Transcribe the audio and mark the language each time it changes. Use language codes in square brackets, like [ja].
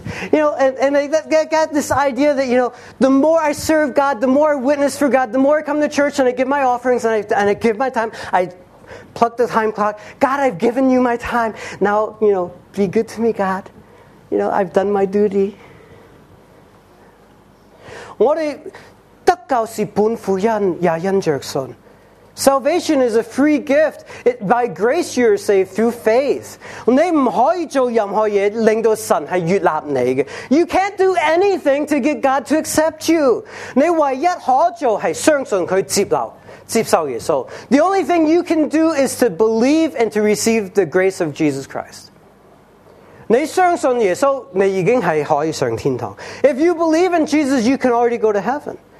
[en] You know, and they got this idea that, you know, the more I serve God, the more I witness for God, the more I come to church and I give my offerings and I give my time, I plug the time clock. God, I've given you my time. Now, you know, be good to me, God. You know, I've done my duty. [zh] 我们得救是本乎恩，也因着信。 [en] Salvation is a free gift. It, by grace you are saved through faith. [zh] 你不可以做任何事令到神是悦纳你的。 [en] You can't do anything to get God to accept you. [zh] 你唯一可做是相信祂接受耶稣。 [en] The only thing you can do is to believe and to receive the grace of Jesus Christ. [zh] 你相信耶稣，你已经是可以上天堂。 [en] If you believe in Jesus, you can already go to heaven.